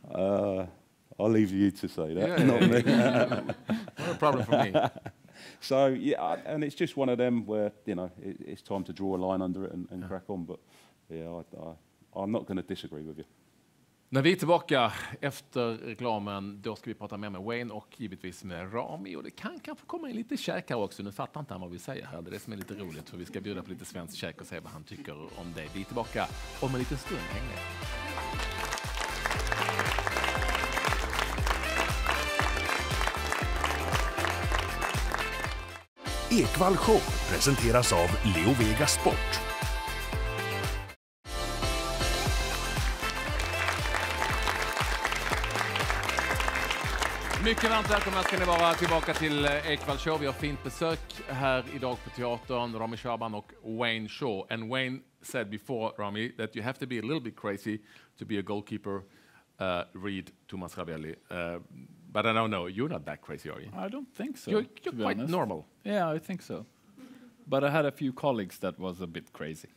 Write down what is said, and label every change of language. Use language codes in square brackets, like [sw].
[en] I'll leave you to say that, not me. Not a problem for me. So, yeah, and it's just one of them where, you know, it's time to draw a line under it and crack on. But, yeah, I'm not going to disagree with you. [sv] När vi är tillbaka efter reklamen, då ska vi prata mer med Wayne och givetvis med Rami. Och det kan kanske komma in lite käk här också. Nu fattar inte han vad vi säger här. Det är det som är lite roligt, för vi ska bjuda på lite svensk käk och se vad han tycker om det. Vi är tillbaka om en liten stund. Häng med. Ekwall Show presenteras av Leo Vega Sport. Mycket varmt välkomna ska ni vara tillbaka till Ekwall Show. Vi har fint besök här idag på teatern, Rami Shaaban och Wayne Shaw. [en] And Wayne said before, Rami, that you have to be a little bit crazy to be a goalkeeper, read Thomas Ravelli. But I don't know, you're not that crazy, are you? I don't think so. You're to quite be normal. Yeah, I think so. But I had a few colleagues that was a bit crazy.